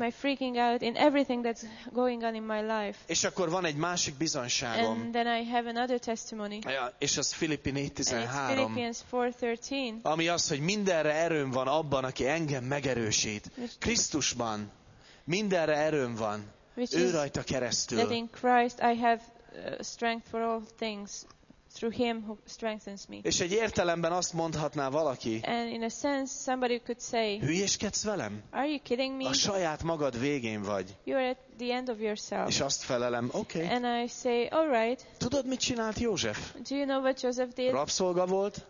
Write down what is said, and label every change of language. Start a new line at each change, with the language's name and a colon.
English: In my freaking out, in everything that's going on in my life.
Hungarian: És akkor van egy másik bizonyságom.
English: And then I have another testimony.
Hungarian: Ja, és az Filippi 4.13. Ami az, hogy mindenre erőm van abban, aki engem megerősít. Krisztusban mindenre erőm van. Ő rajta keresztül.
English: That in Christ I have strength for all things through him who strengthens me.
Hungarian: És egy értelemben azt mondhatná valaki.
English: And in a sense somebody could say.
Hungarian: Hülyeskedsz velem?
English: Are you kidding me?
Hungarian: A saját magad végén vagy.
English: You are at the end of yourself.
Hungarian: És azt felelem, okay.
English: And I say, all right.
Hungarian: Tudod mit csinált József?
English: Do you know what Joseph did?
Hungarian: Rabszolga volt.